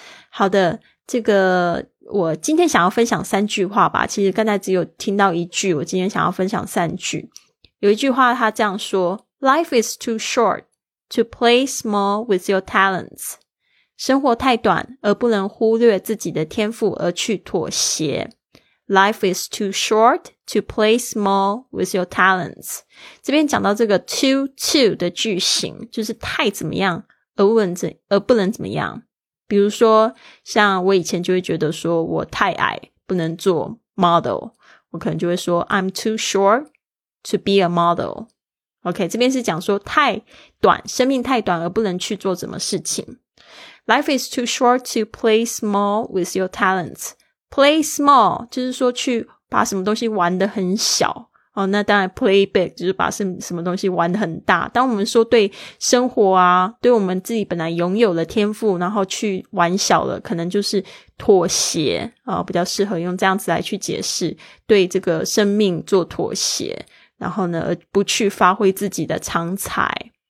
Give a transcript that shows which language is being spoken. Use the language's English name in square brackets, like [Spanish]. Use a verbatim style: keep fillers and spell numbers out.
[Chinese] 好的，这个我今天想要分享三句话吧，其实刚才只有听到一句，我今天想要分享三句。有一句话他这样说 [English] Life is too short to play small with your talents， [Chinese] 生活太短，而不能忽略自己的天赋而去妥协。 [English] Life is too short to play small with your talents。 [Chinese] 这边讲到这个 too too 的句型，就是太怎么样，而不能怎而不能怎么样。比如说，像我以前就会觉得说我太矮，不能做 model， 我可能就会说 [English] I'm too short to be a model。 [Chinese] OK， 这边是讲说太短，生命太短而不能去做什么事情。 [English] Life is too short to play small with your talents. [Chinese] Play small 就是说去把什么东西玩得很小。哦，那当然 play big 就是把什么东西玩得很大。当我们说对生活啊，对我们自己本来拥有的天赋，然后去玩小了，可能就是妥协，哦，比较适合用这样子来去解释，对这个生命做妥协，然后呢，不去发挥自己的长才。